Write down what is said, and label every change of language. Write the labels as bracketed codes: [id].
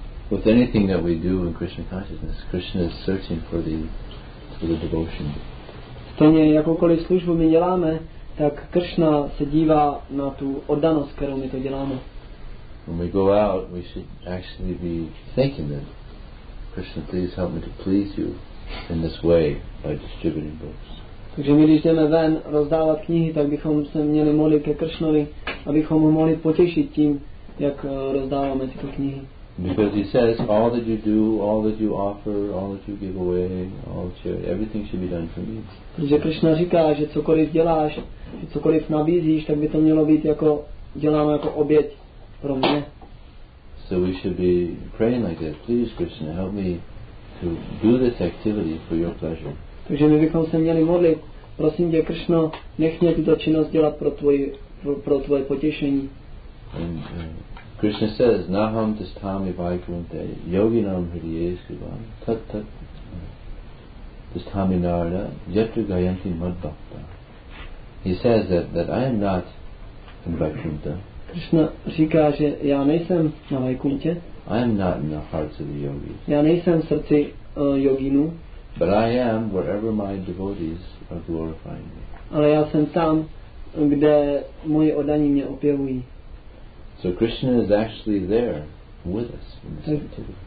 [en] With anything that we do in Krishna consciousness, Krishna is searching for the devotion. [cs] Stejně jakoukoliv službu my děláme, tak Krishna se dívá na tu oddanost, kterou my to děláme. [en] When we go out, we should actually be thinking that Krishna, please help me to please you in this way by distributing books. [cs] Takže my, když jdeme ven rozdávat knihy, tak bychom se měli modlit ke Kršnovi, abychom ho mohli potěšit tím, jak rozdáváme tyto knihy. [en] Because he says, all that you do, all that you offer, all that you give away, all that you, everything should be done for me. [cs] Protože Krishna říká, že cokoliv děláš, cokoliv nabízíš, tak by to mělo být jako děláno jako oběť pro mě. [en] So we should be praying like that. Please, Krishna, help me to do this activity for your pleasure. [cs] Takže my bychom se měli modlit, prosím tě, Krishno, nech mě tuto činnost dělat pro tvoje potěšení. [en] Krishna says, [sa] naham tisthami vaikunte yoginam hriyeskivam tat tat tisthami narada yatru gayanti madbhakta. [en] He says that I am not in Vaikuntha. [cs] Krishna říká, že já nejsem na Vaikunthe. [en] I am not in the hearts of the yogis. [cs] Já nejsem v srdci yoginů. [en] But I am wherever my devotees are glorifying me. [cs] Ale já jsem tam, kde moji oddaní mě opěvují. [en] So Krishna is actually there with us in this activity.